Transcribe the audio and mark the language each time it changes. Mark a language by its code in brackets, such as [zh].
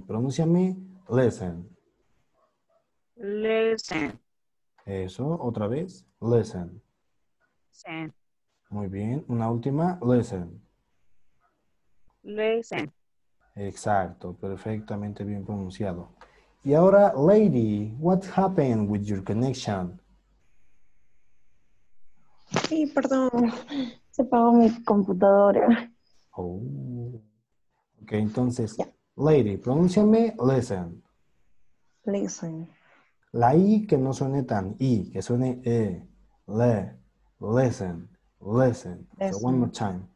[es] Pronúnciame listen. [en] Listen. [es] Eso, otra vez. Listen. [en] Listen. [es] Muy bien. Una última. Listen. [en] Listen. [es] Exacto, perfectamente bien pronunciado. Y ahora, [en] lady, what happened with your connection? [es] Sí, perdón, se apagó mi computadora. Oh. Ok, entonces, yeah. Lady, pronúnciame listen. [en] Listen. [es] La I que no suene tan I, que suene E. Le, listen, listen. Listen. [en] So one more time.